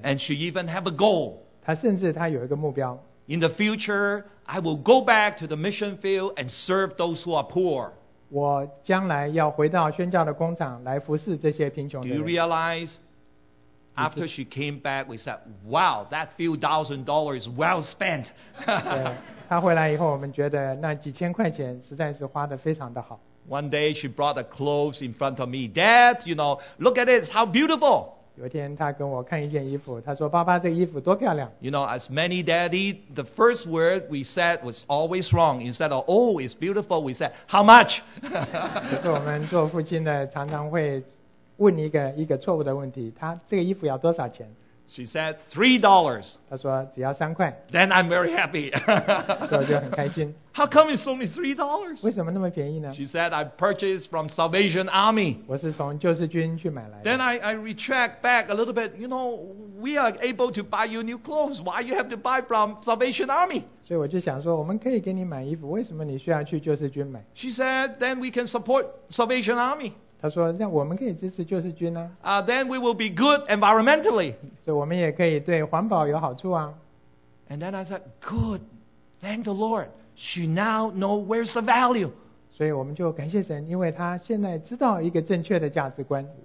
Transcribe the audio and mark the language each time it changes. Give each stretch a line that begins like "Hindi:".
English: And she even have a goal.
Chinese: 她甚至她有一个目标。
English: In the future, I will go back to the mission field and serve those who are poor.
Chinese: 我将来要回到宣教的工厂来服侍这些贫穷的人。
English: Do you realize? After she came back, we said, wow, that few thousand dollars well spent.
Chinese: 她回来以后我们觉得那几千块钱实在是花得非常的好。
English: One day she brought the clothes in front of me. Dad, you know, look at this, how beautiful.
Chinese: 有一天她跟我看一件衣服，她说爸爸这个衣服多漂亮。
English: You know, as many daddy, the first word we said was always wrong. Instead of, oh, it's beautiful, we said, how much?
Chinese: 可是我们做父亲的常常会问一个错误的问题，她这个衣服要多少钱？
English: She said $3.
Chinese: 她说只要三块。
English: Then I'm very happy.
Chinese: 所以就很开心。
English: How come it's only $3?
Chinese: 为什么那么便宜呢？
English: She said I purchased from Salvation Army.
Chinese: 我是从救世军去买来的。
English: Then I retract back a little bit. You know, we are able to buy you new clothes. Why you have to buy from Salvation Army?
Chinese: 所以我就想说，我们可以给你买衣服，为什么你需要去救世军买？
English: She said then we can support Salvation Army.
Chinese: 他说：“那我们可以支持救世军啊。”
English: Then we will be good environmentally.
Chinese: 所以我们也可以对环保有好处啊。
English: And then I said, "Good, thank the Lord. She now know where's the value."
Chinese: 所以我们就感谢神，因为他现在知道一个正确的价值观。